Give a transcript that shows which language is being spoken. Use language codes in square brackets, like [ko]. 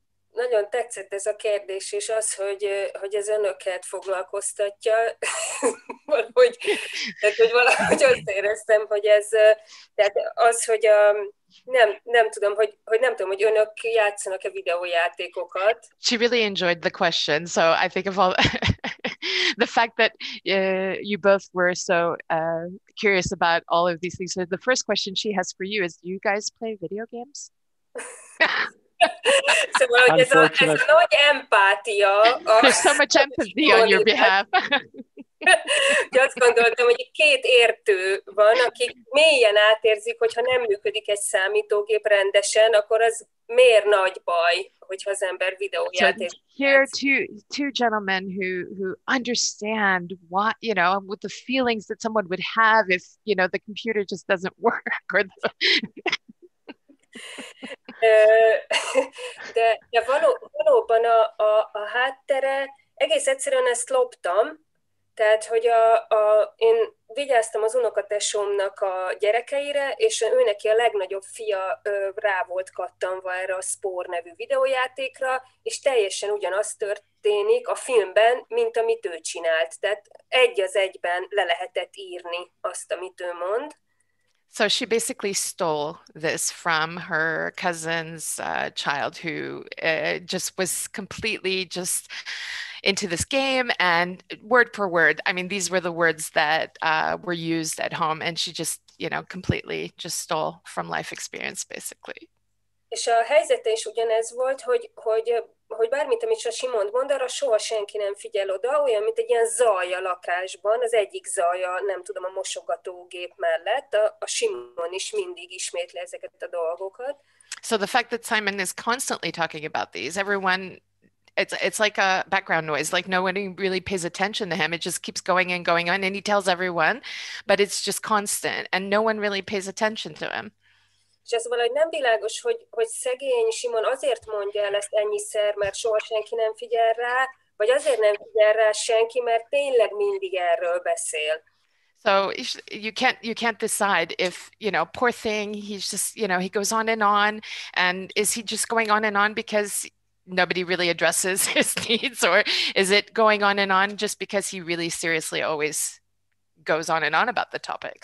[hu] Nagyon tetszett ez a kérdés, és az, hogy ez önöket foglalkoztatja, hogy valahogy azt éreztem, hogy ez, tehát az, hogy nem tudom, hogy önök játszanak-e videójátékokat. [en] She really enjoyed the question, so I think of all the fact that you both were so curious about all of these things. So the first question she has for you is, do you guys play video games? [hu] Szóval, hogy ez a nagy empátia. [en] There's so much empathy on your behalf. [hu] Azt gondoltam, hogy két értő van, akik mélyen átérzik, hogyha nem működik egy számítógép rendesen, akkor az miért nagy baj, hogyha az ember videójáték. [en] So here are two gentlemen who understand what, you know, with the feelings that someone would have if, you know, the computer just doesn't work. Or the... [hu] De valóban a háttere, egész egyszerűen ezt loptam, tehát hogy én vigyáztam az unokatesómnak a gyerekeire, és ő neki a legnagyobb fia rá volt kattanva erre a Spore nevű videójátékra, és teljesen ugyanaz történik a filmben, mint amit ő csinált. Tehát egy az egyben le lehetett írni azt, amit ő mond. [en] So she basically stole this from her cousin's child, who just was completely just into this game, and word for word, I mean, these were the words that were used at home, and she just, you know, completely just stole from life experience, basically. [hu] És a helyzete is ugyanez volt, hogy bármit, amit Simon mond, arra soha senki nem figyel oda, olyan, mint egy ilyen zaj a lakásban, az egyik zaj a, nem tudom, a mosogatógép mellett, a Simon is mindig ismétli ezeket a dolgokat. [en] So the fact that Simon is constantly talking about these, everyone, it's like a background noise, like no one really pays attention to him, it just keeps going and going on, and he tells everyone, but it's just constant, and no one really pays attention to him. [hu] És ez valahogy nem világos, hogy szegény Simon azért mondja el ezt ennyiszer, mert soha senki nem figyel rá, vagy azért nem figyel rá senki, mert tényleg mindig erről beszél. [en] So you can't decide if, you know, poor thing, he's just, you know, he goes on and on, and is he just going on and on because nobody really addresses his needs, or is it going on and on just because he really seriously always goes on and on about the topic?